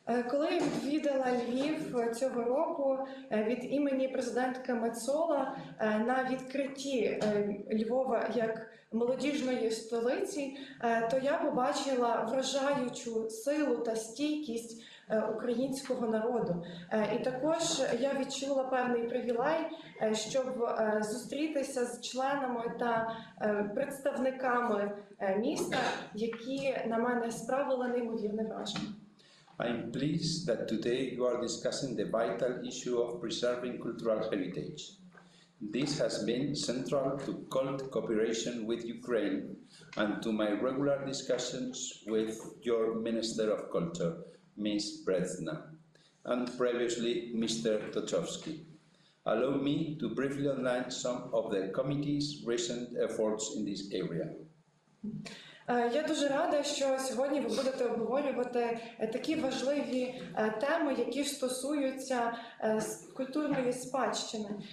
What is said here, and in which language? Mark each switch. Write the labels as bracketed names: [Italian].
[Ukrainian] Коли я відвідала Львів цього року від імені президентки Мецола на відкритті Львова як молодіжної столиці, то я побачила вражаючу силу та стійкість українського народу. І також я відчула певний привілей, щоб зустрітися з членами та представниками міста, які на мене справили неймовірне враження. [English] I'm pleased that today you are discussing the vital issue of preserving cultural heritage. This has been central to cult cooperation with Ukraine and to my regular discussions with your Minister of Culture, Ms. Brezhna, and previously Mr. Tochovsky. Allow me to briefly outline some of the committee's recent efforts in this area. [Ukrainian] Я дуже рада, що сьогодні ви будете обговорювати такі важливі теми, які стосуються культурної спадщини.